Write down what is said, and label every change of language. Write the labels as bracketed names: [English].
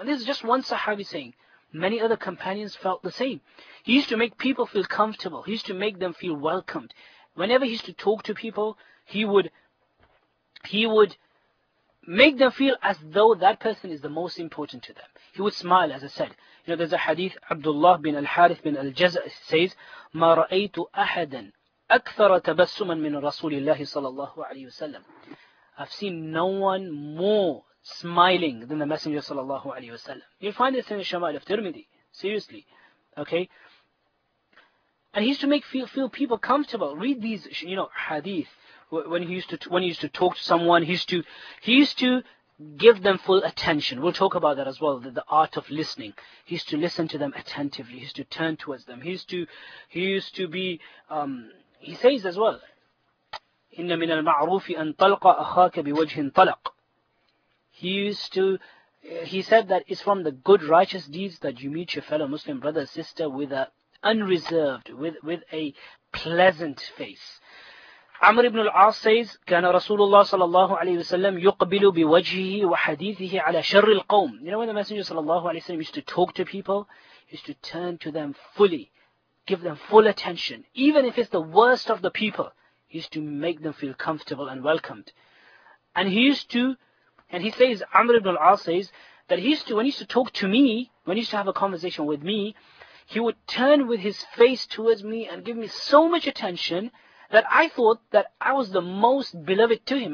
[English] And this is just one sahabi saying. Many other companions felt the same. He used to make people feel comfortable. He used to make them feel welcomed. Whenever he used to talk to people, he would make them feel as though that person is the most important to them. He would smile, as I said. You know, there's a hadith, Abdullah bin al-Harith bin al-Jaz' says, [Arabic] مَا رَأَيْتُ أَحَدًا أَكْثَرَ تَبَسُّمًا مِنْ رَسُولِ اللَّهِ صَلَى اللَّهُ عَلَيْهِ وَسَلَّمَ. [English] I've seen no one more smiling than the Messenger sallallahu alayhi wasallam. You'll find this in the Shama'il of Tirmidhi. Seriously. Okay? And he used to make feel people comfortable. Read these, you know, hadith. When he used to talk to someone, he used to give them full attention. We'll talk about that as well, the art of listening. He used to listen to them attentively. He used to turn towards them. He used to be, he says as well, [Arabic] إِنَّ مِنَ الْمَعْرُوفِ أَنْ طَلْقَ أَخَاكَ بِوَجْهٍ طَلَقٍ. [English] He said that it's from the good righteous deeds that you meet your fellow Muslim brother or sister with a unreserved, with a pleasant face. Amr ibn al-As says, [Arabic] كَانَ رَسُولُ اللَّهِ صَلَى اللَّهُ عَلَيْهِ وَسَلَّمُ يُقْبِلُ بِوَجْهِهِ وَحَدِيثِهِ عَلَى شَرِّ الْقَوْمِ. [English] You know when the Messenger صلى الله عليه وسلم used to talk to people, he used to turn to them fully, give them full attention. Even if it's the worst of the people, he used to make them feel comfortable and welcomed. And he says, Amr ibn al-As says, that when he used to have a conversation with me, he would turn with his face towards me and give me so much attention that I thought that I was the most beloved to him.